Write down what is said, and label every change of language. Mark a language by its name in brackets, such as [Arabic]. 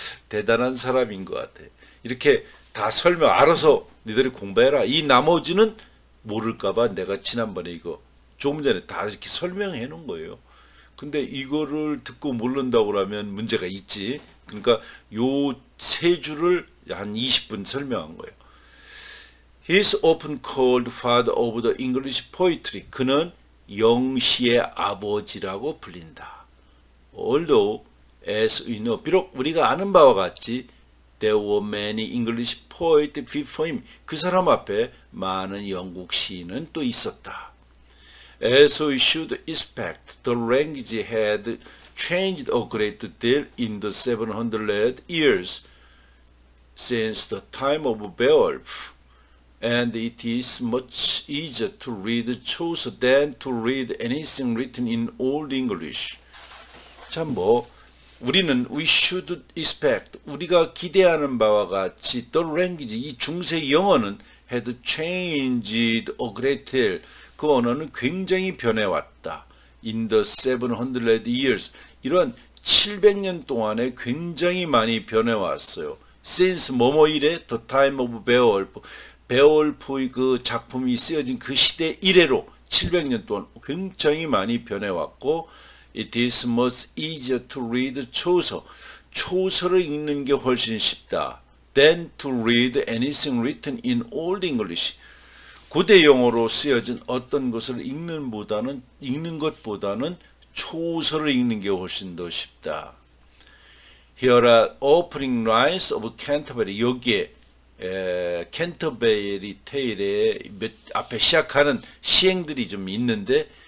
[Korean] 대단한 사람인 것 같아. 이렇게 다 설명, 알아서 니들이 공부해라. 이 나머지는 모를까봐 내가 지난번에 이거 조금 전에 다 이렇게 설명해 놓은 거예요. 근데 이거를 듣고 모른다고 하면 문제가 있지. 그러니까 요세 줄을 한 20분 설명한 거예요. [English] He is often called father of the English poetry. [Korean] 그는 영시의 아버지라고 불린다. [English] Although, as we know, [Korean] 비록 우리가 아는 바와 같이, [English] there were many English poets before him. [Korean] 그 사람 앞에 많은 영국 시인은 또 있었다. [English] As we should expect, the language had changed a great deal in the 700 years since the time of Beowulf. And it is much easier to read Chaucer than to read anything written in Old English. [Korean] 참, 뭐, 우리는 [English] we should expect, [Korean] 우리가 기대하는 바와 같이, [English] the language, [Korean] 이 중세 영어는 [English] had changed a great deal. [Korean] 그 언어는 굉장히 변해왔다. [English] In the 700 years. [Korean] 이런 700년 동안에 굉장히 많이 변해왔어요. [English] Since [Korean] 뭐뭐 이래? [English] The time of Beowulf. [Korean] 베어울프의 그 작품이 쓰여진 그 시대 이래로 700년 동안 굉장히 많이 변해왔고, [English] It is much easier to read [Korean] 초서. 초서를 읽는 게 훨씬 쉽다. [English] than to read anything written in Old English. [Korean] 고대 영어로 쓰여진 어떤 것을 읽는 것보다는 초서를 읽는 게 훨씬 더 쉽다. [English] Here are opening lines of Canterbury. [Korean] 여기에 캔터베리 테일의 앞에 시작하는 시행들이 좀 있는데